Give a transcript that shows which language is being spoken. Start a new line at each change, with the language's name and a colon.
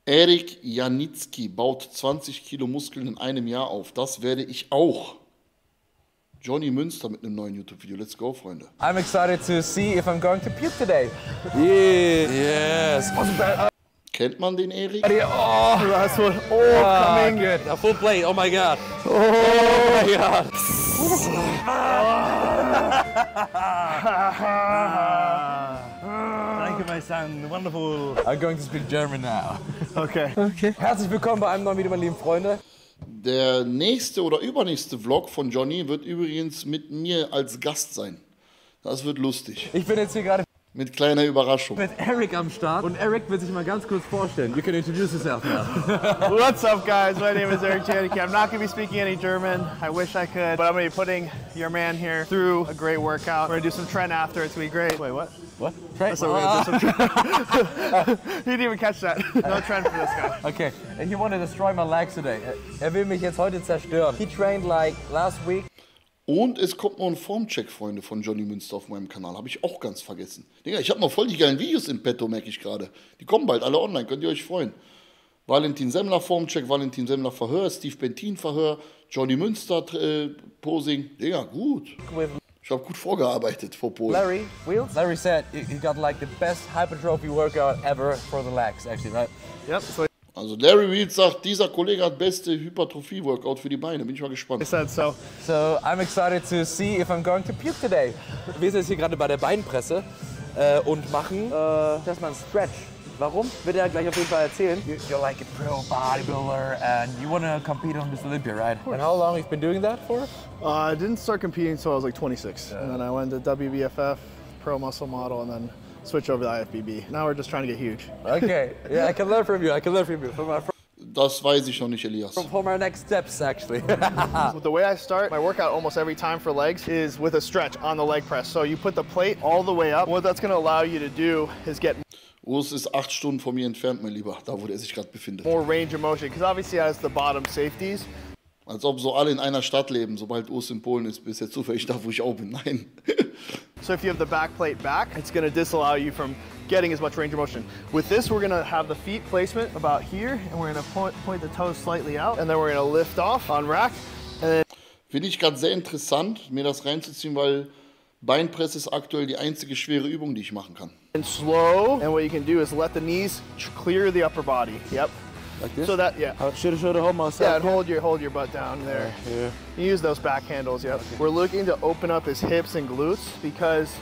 German: Erik Janicki baut 20 Kilo Muskeln in einem Jahr auf. Das werde ich auch. Johny Münster mit einem neuen YouTube-Video.
English: Let's go,
German: Freunde.
English: I'm excited to see if I'm going to puke today. Yeah. Yes. Kennt man den Erik? Oh, that's what, oh, coming. Good. A full plate, oh my god. Oh my god. Thank you, my son. Wonderful. I'm going to speak German now. Okay. Okay.
German: Herzlich willkommen bei einem neuen Video, meine lieben Freunde. Der nächste oder übernächste Vlog von Johny wird übrigens mit mir als Gast sein. Das wird lustig. Ich bin jetzt hier gerade mit kleiner Überraschung. Mit Erik am Start. Und Erik wird sich mal ganz kurz vorstellen.
English: You can introduce yourself now. What's up, guys? My name is Erik Janicki. I'm not going to be speaking any German. I wish I could. But I'm going to be putting your man here through a great workout. We're going to do some Trent after. It's going to be great. Wait, what? What? Trent? That's what we're going to do. He didn't even catch that. No Trent for this guy. Okay. And he wanted to destroy my legs today.
German: Er will mich jetzt heute zerstören.
English: He trained like last week.
German: Und es kommt noch ein Formcheck, Freunde, von Johny Münster auf meinem Kanal. Habe ich auch ganz vergessen. Digga, ich habe noch voll die geilen Videos im Petto, merke ich gerade. Die kommen bald alle online, könnt ihr euch freuen. Valentin Semmler Formcheck, Valentin Semmler Verhör, Steve Bentin Verhör, Johny Münster Posing. Digga, gut. Ich habe gut vorgearbeitet vor Posing.
English: Larry Wheels? Larry said he got like the best hypertrophy workout ever for the legs, actually, right? Yep.
German: Also Larry Reed sagt, dieser Kollege hat beste Hypertrophie-Workout für die Beine. Bin ich mal gespannt. Ist das so?
English: So, I'm excited to see if I'm going to puke today.
German: Wir sind jetzt hier gerade bei der Beinpresse und machen erstmal einen Stretch. Warum? Wird er gleich auf jeden Fall erzählen.
English: You're like a pro bodybuilder and you want to compete on this Olympia, right? And how long you've been doing that for? I didn't start competing until I was like 26. And then I went to WBFF, pro muscle model, and then switch over to IFBB. Now we're just trying to get huge. Okay. Yeah, I can learn from you. I can learn from you. From my
German: Das weiß ich noch nicht, Elias.
English: From our next steps, actually. The way I start my workout almost every time for legs is with a stretch on the leg press. So you put the plate all the way up. What that's going to allow you to do is get...
German: Urs ist 8 Stunden von mir entfernt, mein Lieber. Da, wo er sich gerade befindet.
English: More range of motion, because obviously has the bottom safeties.
German: Als ob so alle in einer Stadt leben, sobald Urs in Polen ist, bis er zufällig da, wo ich auch bin. Nein.
English: So if you have the back plate back, it's going to disallow you from getting as much range of motion. With this, we're going to have the feet placement about here, and we're going to point the toes slightly out, and then we're going to lift off on rack.
German: Finde ich gerade sehr interessant, mir das reinzuziehen, weil Beinpresse ist aktuell die einzige schwere Übung, die ich machen kann.
English: And slow, and what you can do is let the knees clear the upper body. Yep. Like this? So that, yeah. Should I hold myself? Yeah, hold your butt down there. Yeah. You use those back handles, yeah. Okay. We're looking to open up his hips and glutes because...